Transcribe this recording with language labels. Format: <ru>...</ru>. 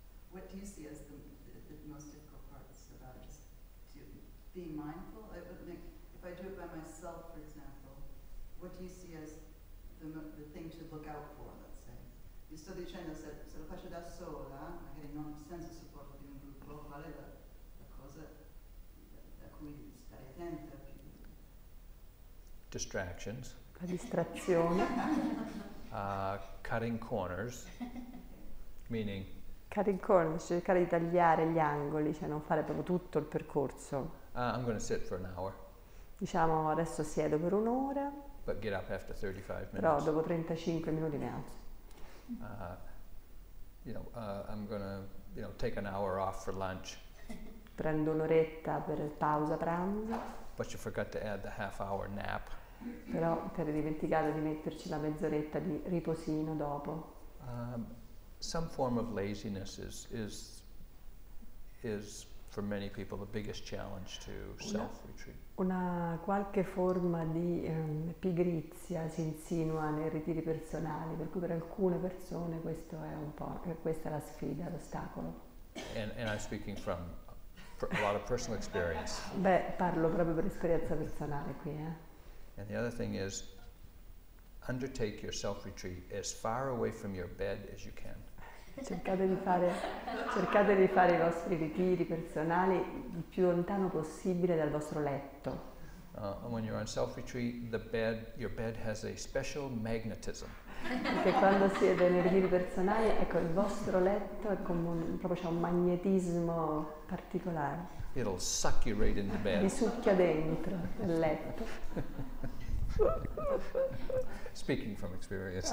<en>What do you see as the most difficult parts about just being mindful? If I do it by myself, for example, what do you see as the thing to look out for, let's say?</en> <it>Io sto dicendo, se lo faccio da sola, magari non senza il supporto di un gruppo, qual è la cosa da cui stare attenta?</it> <en>Distractions.</en> <it>La distrazione.</it> <en>Cutting corners, meaning cutting corners,</en> <it>cercare di tagliare gli angoli, cioè non fare proprio tutto il percorso.</it> <en>I'm going to sit for an hour.</en> <it>Diciamo adesso siedo per un'ora.</it> <en>But get up after 35 minutes.</en> <it>Però dopo 35 minuti mi alzo.</it> <en>I'm going to, take an hour off for lunch.</en> <it>Prendo un'oretta per pausa pranzo.</it> <en>But you forgot to add the half hour nap.</en> <it>Però ti eri dimenticato di metterci la mezz'oretta di riposino dopo.</it> <en>Some form of laziness is for many people the biggest challenge to self-retreat.</en> <it>Una qualche forma di pigrizia si insinua nei ritiri personali, per cui per alcune persone questo è un po' questa è la sfida, l'ostacolo.</it> <en>And I'm speaking from a lot of personal experience.</en> <it>Beh, parlo proprio per esperienza personale qui, eh.</it> <en>And the other thing is undertake your self-retreat as far away from your bed as you can.</en> <it>Cercate di fare i vostri ritiri personali il più lontano possibile dal vostro letto.</it> <en>When you're on self-retreat, the bed, your bed has a special magnetism.</en> <it>Perché quando siete nel ritiro personale, ecco, il vostro letto è come un, proprio c'è un magnetismo particolare.</it> <en>It'll suck you right in the bed.</en> <it>Vi succhia dentro il letto.</it> <en>Speaking from experience.</en>